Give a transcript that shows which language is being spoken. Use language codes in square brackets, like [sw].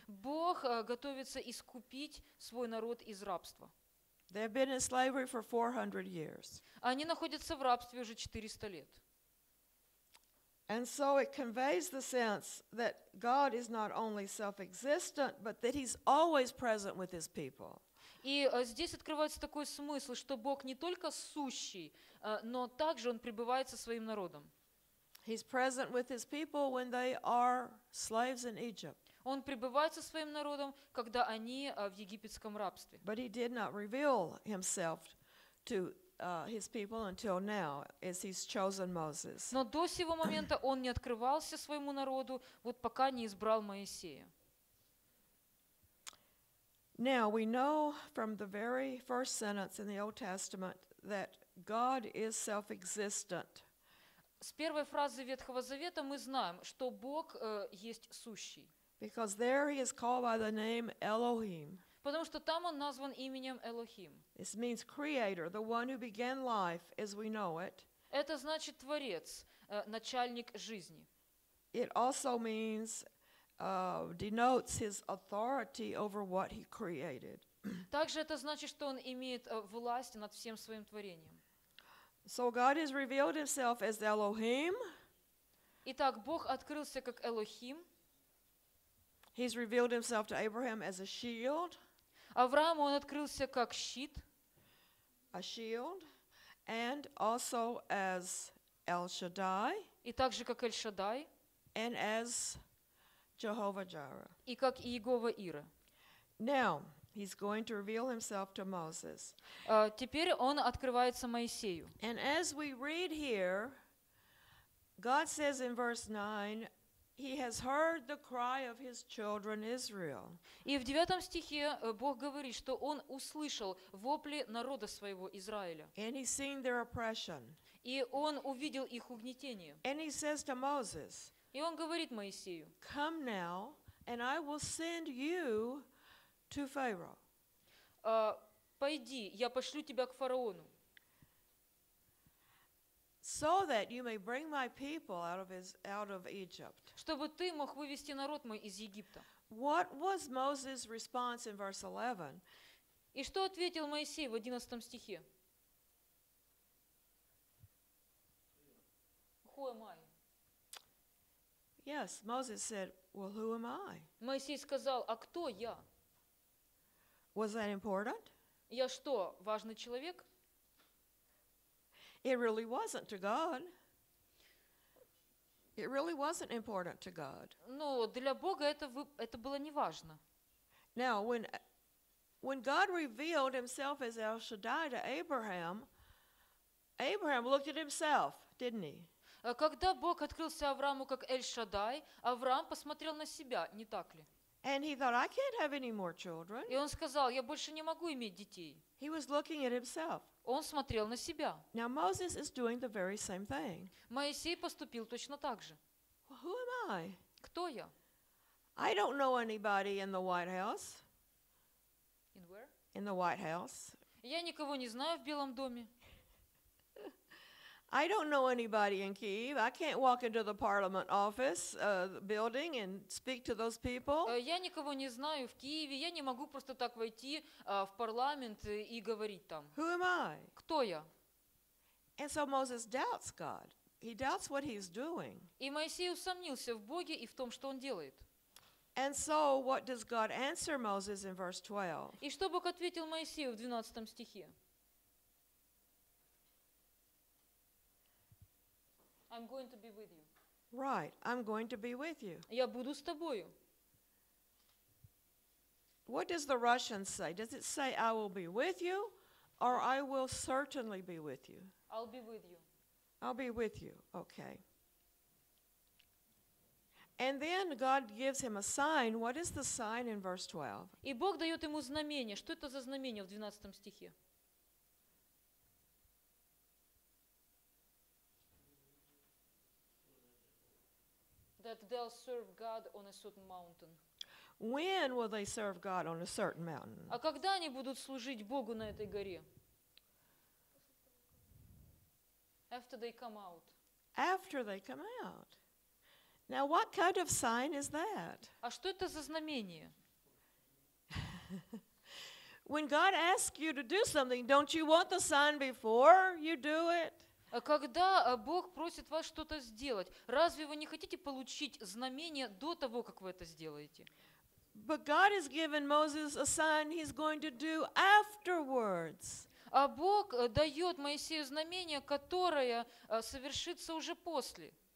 [ru] Бог готовится искупить свой народ из рабства. [en] They have been in slavery for 400 years. [ru] Они находятся в рабстве уже 400 лет. [en] And so it conveys the sense that God is not only self-existent, but that He's always present with His people. [ru] И здесь открывается такой смысл, что Бог не только сущий, но также Он пребывает со своим народом. [en] He's present with His people when they are slaves in Egypt. [ru] Он пребывает со своим народом, когда они в египетском рабстве. [en] But He did not reveal Himself to His people until now, as He's chosen Moses. [ru] Но до сего момента Он не открывался своему народу, вот пока не избрал Моисея. [en] Now we know from the very first sentence in the Old Testament that God is self-existent. [ru] С первой фразы Ветхого Завета мы знаем, что Бог есть сущий. [en] Because there He is called by the name Elohim. [ru] Потому что там он назван именем Элохим. [en] This means creator, the one who began life as we know it. [ru] Это значит творец, начальник жизни. [en] It also means denotes his authority over what he created. [ru] Также это значит, что он имеет власть над всем своим творением. [en] So God has revealed himself as Elohim. [ru] Итак, Бог открылся как Элохим. [en] He's revealed himself to Abraham as a shield. [ru] Аврааму он открылся как щит. [en] A shield, and also as El Shaddai. [ru] И также как El Shaddai. [en] And as Jehovah Jireh. [ru] И как Иегова Ира. [en] Now, he's going to reveal himself to Moses. [ru] Теперь он открывается Моисею. [en] And as we read here, God says in verse 9, He has heard the cry of His children Israel. [ru] И в 9 стихе Бог говорит, что Он услышал вопли народа своего Израиля. [en] And He's seen their oppression. [ru] И Он увидел их угнетение. [en] And He says to Moses. [ru] И Он говорит Моисею. [en] Come now, and I will send you to Pharaoh. [ru] Пойди, я пошлю тебя к фараону. [en] So that you may bring my people out of Egypt. [ru] Чтобы ты мог вывести народ мой из Египта. [en] What was Moses' response in verse 11? [ru] И что ответил Моисей в 11 стихе? [en] Who am I? Yes, Moses said, "Well, who am I?" [ru] Моисей сказал, а кто я? [en] Was that important? [ru] Я что, важный человек? [en] It really wasn't to God. It really wasn't important to God. [ru] Но для Бога это было не важно. [en] Now, when God revealed Himself as El Shaddai to Abraham, Abraham looked at himself, didn't he? [ru] Когда Бог открылся Аврааму как Эль-Шадай, Авраам посмотрел на себя, не так ли? [en] And he thought, I can't have any more children. [ru] И он сказал, я больше не могу иметь детей. [en] He was looking at himself. [ru] Он смотрел на себя. [en] Now Moses is doing the very same thing. [ru] Моисей поступил точно так же. [en] Who am I? [ru] Кто я? [en] I don't know anybody in the White House. In where? In the White House. [ru] Я никого не знаю в Белом доме. [en] I don't know anybody in Kyiv. I can't walk into the parliament office building and speak to those people. [ru] Я никого не знаю в Киеве. Я не могу просто так войти в парламент и говорить там. [en] Who am I? [ru] Кто я? [en] And so Moses doubts God. He doubts what he's doing. [ru] И Моисей усомнился в Боге и в том, что он делает. [en] And so what does God answer Moses in verse 12? [ru] И что Бог ответил Моисею в 12 стихе? [en] I'm going to be with you. Right, I'm going to be with you. [ru] Я буду с тобою. [en] What does the Russian say? Does it say I will be with you or I will certainly be with you? I'll be with you. I'll be with you. Okay. And then God gives him a sign. What is the sign in verse 12? [ru] И Бог даёт ему знамение. Что это за знамение в 12 стихе? [en] That they'll serve God on a certain mountain. When will they serve God on a certain mountain? [ru] А когда они будут служить Богу на этой горе? [en] After they come out. After they come out. Now, what kind of sign is that? [ru] А что это за знамение? [en] When God asks you to do something, don't you want the sign before you do it? [ru] Когда Бог просит вас что-то сделать, разве вы не хотите получить знамение до того, как вы это сделаете? [en] But God has given Moses a sign he's going to do afterwards. [ru] А Бог дает Моисею знамение, которое совершится уже после.